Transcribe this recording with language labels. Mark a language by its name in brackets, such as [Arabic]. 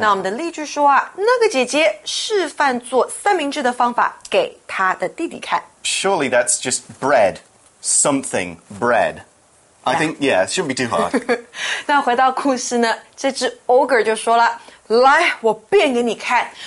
[Chinese] 那我们的例句说啊那个姐姐示范做三明治的方法给她的弟弟看。 [English] Surely that's just bread. Something bread. I think, yeah, it shouldn't be too hard. [Chinese] 那回到故事呢，这只 ogre 就说了，来，我变给你看。